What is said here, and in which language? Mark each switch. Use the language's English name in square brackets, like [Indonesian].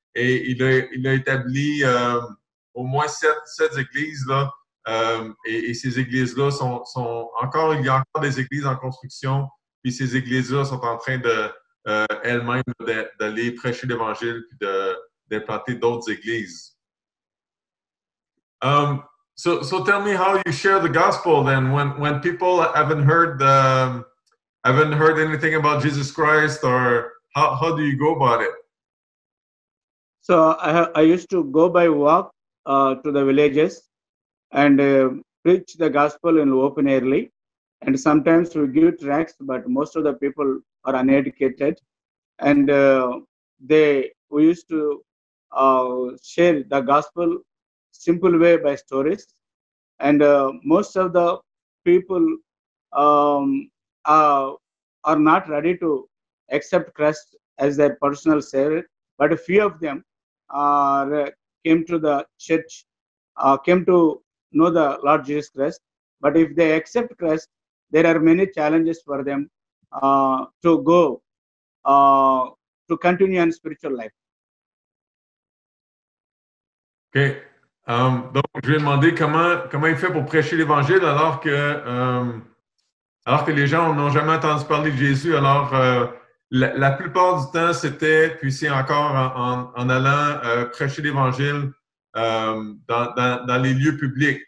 [French] Et il a établi au moins 7 églises là, et ces églises là sont encore, il y a encore des églises en construction, puis ces églises là sont en train de elles-mêmes d'aller prêcher l'Évangile puis d'implanter d'autres églises. [English] So tell me how you share the gospel then when people haven't heard anything about Jesus Christ, or how do you go about it? So I used to go by walk to the villages and preach the gospel in open airly. And sometimes we give tracts, but most of the people are uneducated. And we used to share the gospel simple way by stories. And most of the people are not ready to accept Christ as their personal savior, but a few of them came to the church, came to know the Lord Jesus Christ. But if they accept Christ, there are many challenges for them to go, to continue on spiritual life. OK. [French] Donc, je lui ai demandé comment il fait pour prêcher l'Évangile alors que les gens n'ont jamais entendu parler de Jésus. Alors, La plupart du temps, c'était, puis c'est encore en allant prêcher l'Évangile dans les lieux publics.